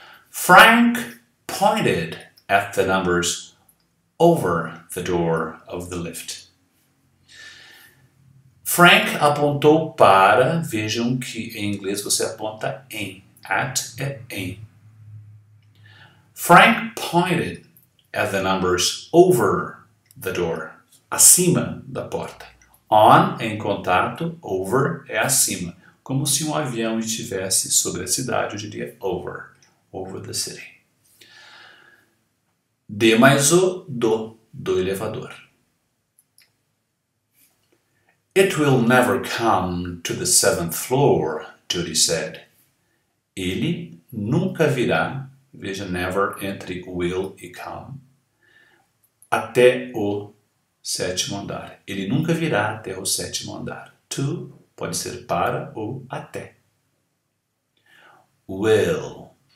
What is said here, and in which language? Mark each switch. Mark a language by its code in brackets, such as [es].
[en] Frank pointed at the numbers over the door of the lift. [pt] Frank apontou para, vejam que em inglês você aponta em, at é em. [en] Frank pointed at the numbers over the door. [pt] Acima da porta. On é em contato, over é acima. Como se um avião estivesse sobre a cidade, eu diria over. [en] Over the city. [pt] D mais O, do elevador. [en] It will never come to the seventh floor, Judy said. [pt] Ele nunca virá, veja never entre will e come, até o sétimo andar. Ele nunca virá até o sétimo andar. To Pode ser para ou até. Will.